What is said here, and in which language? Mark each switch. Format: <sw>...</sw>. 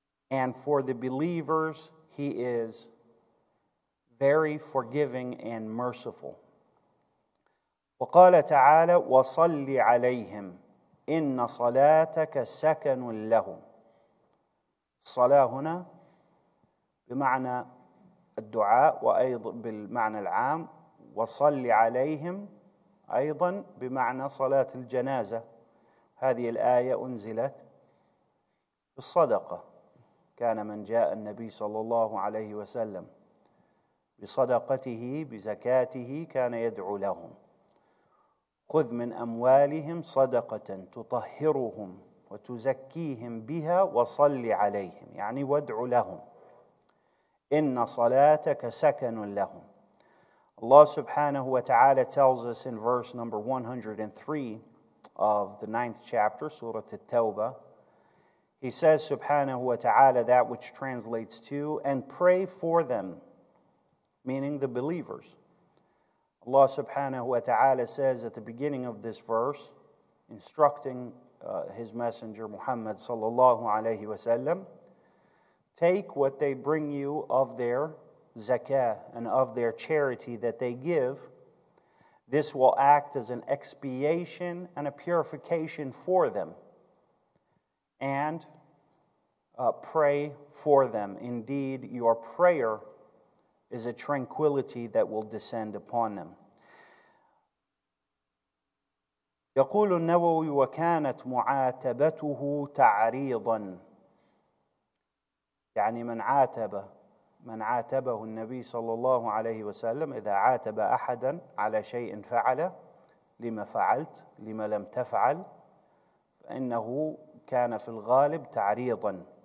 <en>And for the believers, he is very forgiving and merciful.</en> <ar>وَقَالَ تَعَالَى وَصَلِّ عَلَيْهِمْ إِنَّ صَلَاتَكَ سَكَنٌ لَهُمْ الصلاة هنا بمعنى الدعاء وأيضا بالمعنى العام وَصَلِّ عَلَيْهِمْ أيضا بمعنى صلاة الجنازة هذه الآية أنزلت بالصدقة كان من جاء النبي صلى الله عليه وسلم بصدقته بزكاته كان يدعو لهم خذ من أموالهم صدقة تطهرهم وتزكيهم بها وصل عليهم يعني وادعو لهم إن صلاتك سكن لهم</ar> <en>Allah subhanahu wa ta'ala tells us in verse number 103 of the 9th chapter, Surah At-Tawbah, He says, subhanahu wa ta'ala, that which translates to, and pray for them, meaning the believers. Allah subhanahu wa ta'ala says at the beginning of this verse, instructing His Messenger Muhammad sallallahu alayhi wa sallam, take what they bring you of their zakah, and of their charity that they give, this will act as an expiation and a purification for them. And pray for them. Indeed, your prayer is a tranquility that will descend upon them.</en> <ar>يقول النووي وكانت معاتبته تعريضا يعني من عاتبه من عاتبه النبي صلى الله عليه وسلم إذا عاتب أحدا على شيء فعل لما فعلت لما لم تفعل فإنه كان في الغالب تعريضا.</ar>